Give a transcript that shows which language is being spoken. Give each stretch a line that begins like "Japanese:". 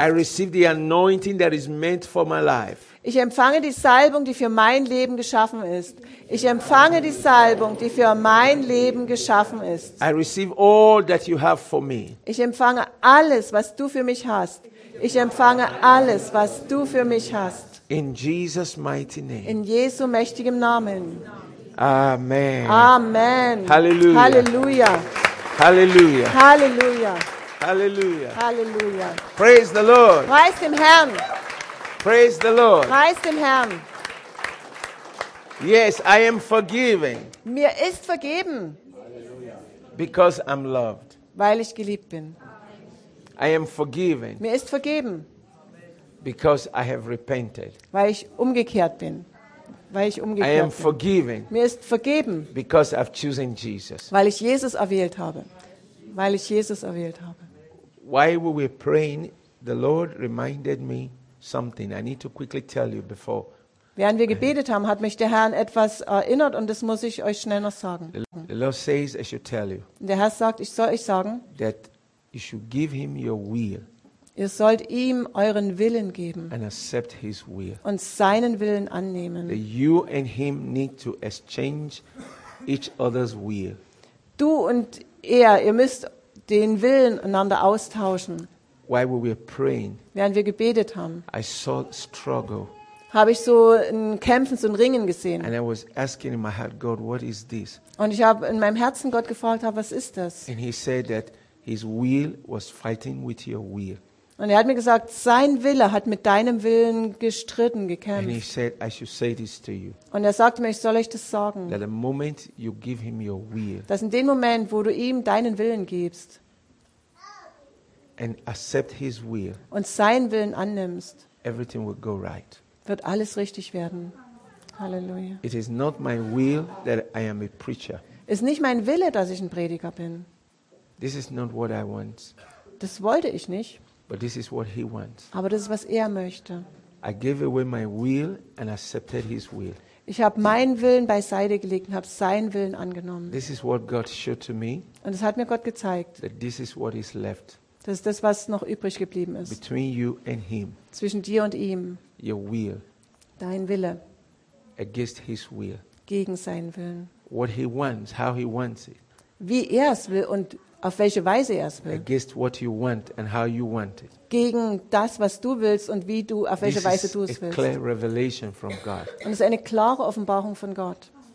English: I receive the anointing that is meant for my life.
German: Ich empfange die Salbung, die für mein Leben geschaffen ist. Ich empfange die Salbung, die für mein Leben geschaffen ist.
English: I receive all that you have for me.
German: Ich empfange alles, was du für mich hast. Ich empfange alles, was du für mich hast.
English: In Jesus' mighty name.
German: In Jesu mächtigem Namen.
English: Amen.
German: Amen.
English: Hallelujah.
German: Hallelujah.
English: Hallelujah.
German: Hallelujah.
English: Hallelujah.
German: Hallelujah.
English: Praise the Lord.
German: Preis dem Herrn.
English: Praise the Lord.
German: Preis dem Herrn.
English: Yes, I am forgiven.
German: Mir ist vergeben.
English: Because I'm loved.
German: Weil ich geliebt bin.
English: I am forgiven.
German: Mir ist vergeben.
English: Because I have repented.
German: Weil ich umgekehrt bin.
English: I am forgiven.
German: Mir ist vergeben.
English: Because I've chosen Jesus.
German: Weil ich Jesus erwählt habe. Weil ich Jesus erwählt habe.
English: While we were praying, the Lord reminded me something. I need to quickly tell you before.
German: Während wir gebetet haben, hat mich der Herr an etwas erinnert und das muss ich euch schnell noch sagen.
English: The Lord says I should tell you.
German: Der Herr sagt, ich soll euch sagen.
English: That you should give him your will.
German: Ihr sollt ihm euren Willen geben
English: and accept his will.
German: Und seinen Willen annehmen.
English: That you and him need to exchange each other's will.
German: Du und er, ihr müsst den Willen einander austauschen.
English: While we were praying,
German: während wir gebetet haben,
English: I saw struggle.
German: Habe ich so ein Kämpfen, so ein Ringen gesehen.
English: And I was asking in my heart, God, what is this?
German: Und ich habe in meinem Herzen Gott gefragt, was ist das?
English: And he said that his will was fighting with your will.
German: Und er hat mir gesagt, sein Wille hat mit deinem Willen gestritten, gekämpft.
English: And he said, I should say this to you.
German: Und er sagte mir, ich soll euch das sagen.
English: That the moment you give him your will,
German: dass in dem Moment, wo du ihm deinen Willen gibst
English: and accept his will,
German: und seinen Willen annimmst,
English: everything will go right.
German: Wird alles richtig werden. Halleluja.
English: It is not my will that I am a preacher.
German: Ist nicht mein Wille, dass ich ein Prediger bin.
English: This is not what I want.
German: Das wollte ich nicht.
English: But this is what he wants.
German: Aber das ist, was er möchte.
English: I gave away my will and accepted his will.
German: Ich habe meinen Willen beiseite gelegt und habe seinen Willen angenommen.
English: This is what God showed to me.
German: Und das hat mir Gott gezeigt.
English: That this is what is left.
German: Das ist das, was noch übrig geblieben ist.
English: Between you and him.
German: Zwischen dir und ihm.
English: Your will.
German: Dein Wille.
English: Against his will.
German: Gegen seinen Willen.
English: What he wants, how he wants it.
German: Wie er es will und auf welche Weise er es will.
English: Against what you want and how you want it.
German: Gegen das, was du willst und wie du auf welche Weise du es willst.
English: This is a clear revelation from God.
German: Und es ist eine klare Offenbarung von Gott.